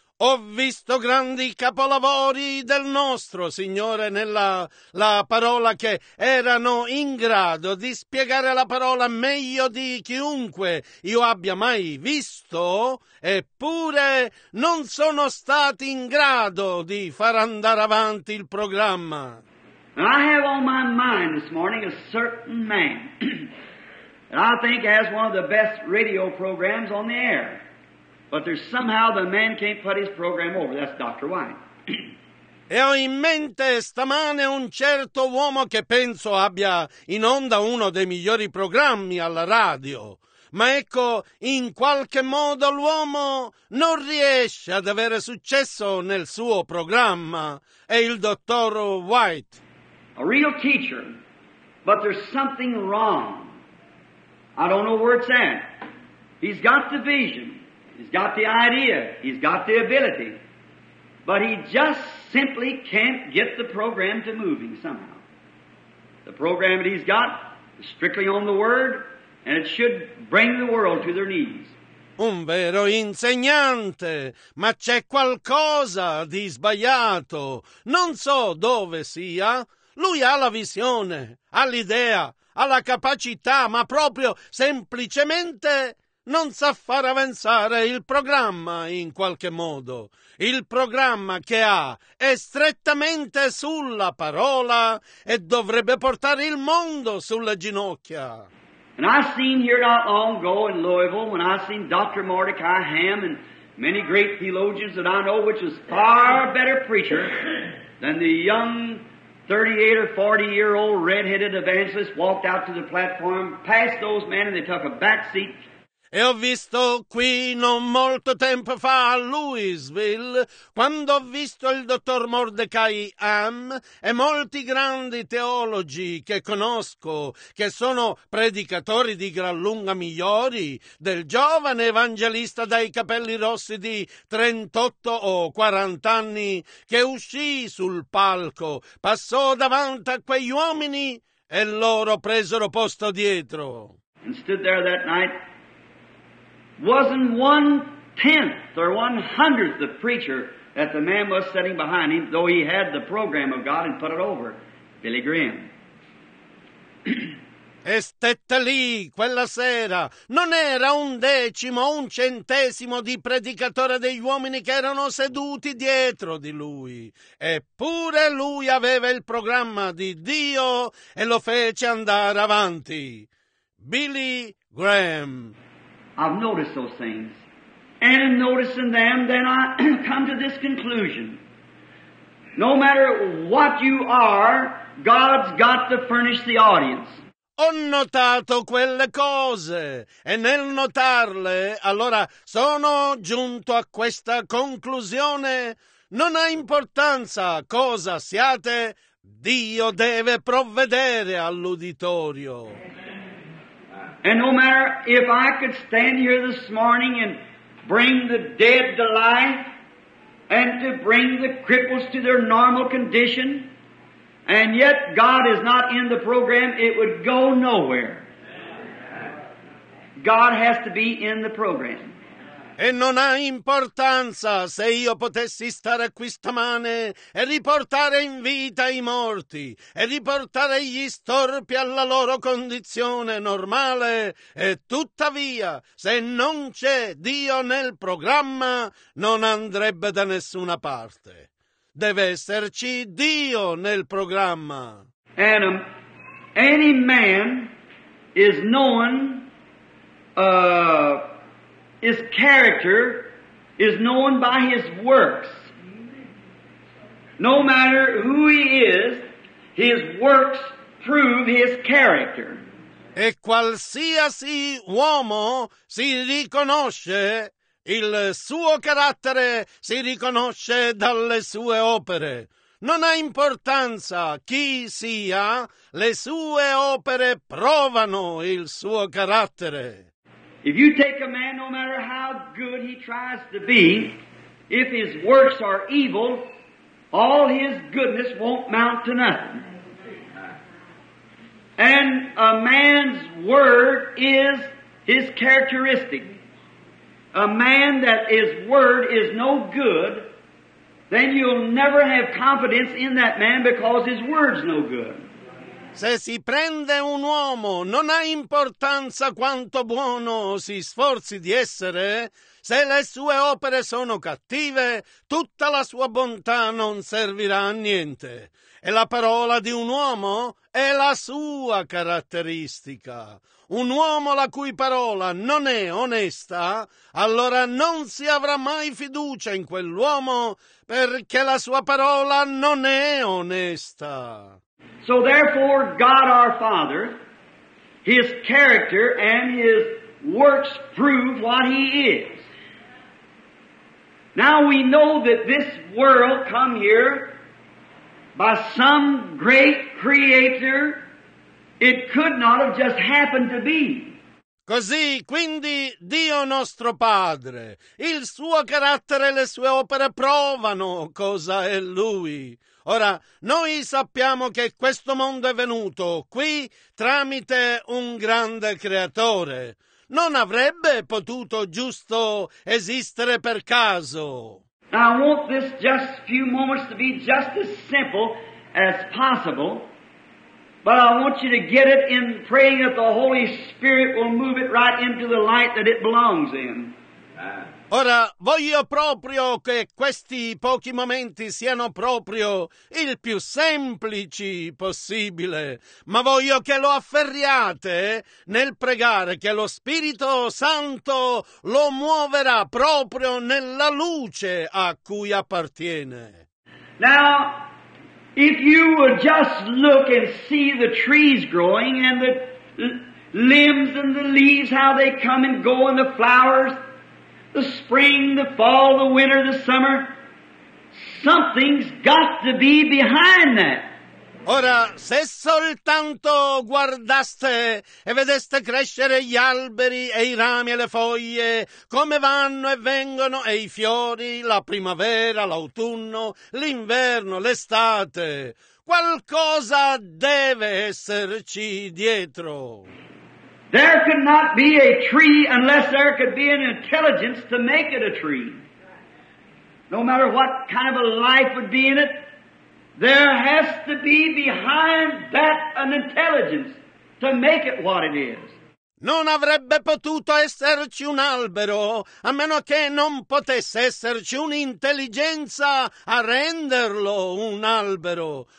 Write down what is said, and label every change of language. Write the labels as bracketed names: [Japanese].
[Italian] Ho visto grandi capolavori del nostro Signore nella la parola che erano in grado di spiegare la parola meglio di chiunque io abbia mai visto, eppure non sono stati in grado di far andare avanti il programma. [English] I have on my mind this morning a certain man that I think has one of the best radio programs on the air. But there's somehow the man can't put his program over. That's Dr. Wine. [Italian] E ho in mente stamane un certo uomo che penso abbia in onda uno dei migliori programmi alla radio. Ma ecco, in qualche modo l'uomo non riesce ad avere successo nel suo programma. È il dottor White. [English] A real teacher, but there's something wrong. I don't know where it's at. He's got the vision. He's got the idea, he's got the ability, but he just simply can't get the program to moving somehow. The program that he's got is strictly on the Word, and it should bring the world to their knees. [Italian] Un vero insegnante, ma c'è qualcosa di sbagliato. Non so dove sia. Lui ha la visione, ha l'idea, ha la capacità, ma proprio semplicemente non sa far avanzare il programma in qualche modo. Il programma che ha è strettamente sulla parola e dovrebbe portare il mondo sulle ginocchia. [English] And I seen here not long ago in Louisville when I seen Dr. Mordecai Ham and many great theologians that I know, which is far better preacher than the young 38 or 40 year old red-headed evangelist walked out to the platform, passed those men and they took a back seat. [Italian] E ho visto qui non molto tempo fa a Louisville, quando ho visto il dottor Mordecai Ham e molti grandi teologi che conosco, che sono predicatori di gran lunga migliori, del giovane evangelista dai capelli rossi di 38 o 40 anni, che uscì sul palco, passò davanti a quegli uomini e loro presero posto dietro. [English] And stood there that night. Wasn't one tenth or one hundredth the preacher that the man was sitting behind him, though he had the program of God and put it over, Billy Graham. [Italian] E stette lì quella sera. Non era un decimo, un centesimo di predicatore degli uomini che erano seduti dietro di lui. Eppure lui aveva il programma di Dio e lo fece andare avanti. Billy Graham. [English] I've noticed those things, and in noticing them, then I come to this conclusion. No matter what you are, God's got to furnish the audience. [Italian] ho notato quelle cose e nel notarle, allora sono giunto a questa conclusione. Non ha importanza cosa siate, Dio deve provvedere all'uditorio. [English] And no matter if I could stand here this morning and bring the dead to life and to bring the cripples to their normal condition, and yet God is not in the program, it would go nowhere. God has to be in the program. [Italian] E non ha importanza se io potessi stare qui stamane e riportare in vita i morti e riportare gli storpi alla loro condizione normale. E tuttavia, se non c'è Dio nel programma, non andrebbe da nessuna parte. Deve esserci Dio nel programma. [English] Adam, any man is known, his character is known by his works. No matter who he is, his works prove his character. [Italian] E qualsiasi uomo si riconosce, il suo carattere si riconosce dalle sue opere. Non ha importanza chi sia, le sue opere provano il suo carattere. [English] If you take a man, no matter how good he tries to be, if his works are evil, all his goodness won't mount to nothing. And a man's word is his characteristic. A man that his word is no good, then you'll never have confidence in that man because his word's no good. [Italian] Se si prende un uomo, non ha importanza quanto buono si sforzi di essere, se le sue opere sono cattive, tutta la sua bontà non servirà a niente. E la parola di un uomo è la sua caratteristica. Un uomo la cui parola non è onesta, allora non si avrà mai fiducia in quell'uomo, perché la sua parola non è onesta. [English] So therefore God our Father, His character and His works prove what He is. Now we know that this world come here by some great creator, it could not have just happened to be. [Italian] Così, quindi, Dio nostro Padre, il suo carattere e le sue opere provano cosa è Lui. Ora, noi sappiamo che questo mondo è venuto qui tramite un grande creatore. Non avrebbe potuto giusto esistere per caso. [English] Now, I want this just few moments to be just as simple as possible, but I want you to get it in praying that the Holy Spirit will move it right into the light that it belongs in. [Italian] Ora, voglio proprio che questi pochi momenti siano proprio il più semplici possibile, ma voglio che lo afferriate nel pregare che lo Spirito Santo lo muoverà proprio nella luce a cui appartiene. [English] Now, if you would just look and see the trees growing and the limbs and the leaves, how they come and go and the flowers, the spring, the fall, the winter, the summer, something's got to be behind that. [Italian] Ora, se soltanto guardaste e vedeste crescere gli alberi e i rami e le foglie, come vanno e vengono e i fiori, la primavera, l'autunno, l'inverno, l'estate, qualcosa deve esserci dietro. [English] There could not be a tree unless there could be an intelligence to make it a tree. No matter what kind of a life would be in it, there has to be behind that an intelligence to make it what it is. [Italian] Non avrebbe potuto esserci un albero a meno che non potesse esserci un'intelligenza a renderlo un albero.